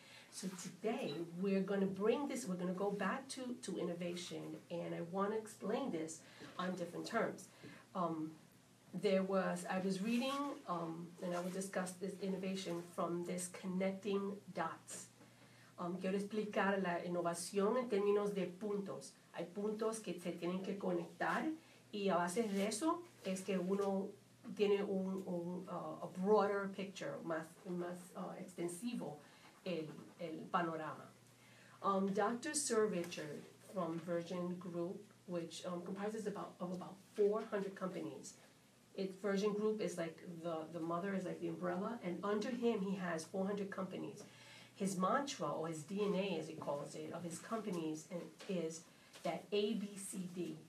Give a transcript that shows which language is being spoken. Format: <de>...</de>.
<en>So today, we're going to go back to innovation, and I want to explain this on different terms. I was reading, and I will discuss this innovation from this connecting dots.</en> <es>Quiero explicar la innovación en términos de puntos. Hay puntos que se tienen que conectar, y a base de eso es que uno tiene</es> <en>a broader picture,</en> <es>más extensivo. El panorama. Dr.</es> <en>Sir Richard from Virgin Group, which comprises about 400 companies. Virgin Group is like the mother, is like the umbrella, and under him he has 400 companies. His mantra, or his DNA as he calls it, of his companies is that ABCD.</en>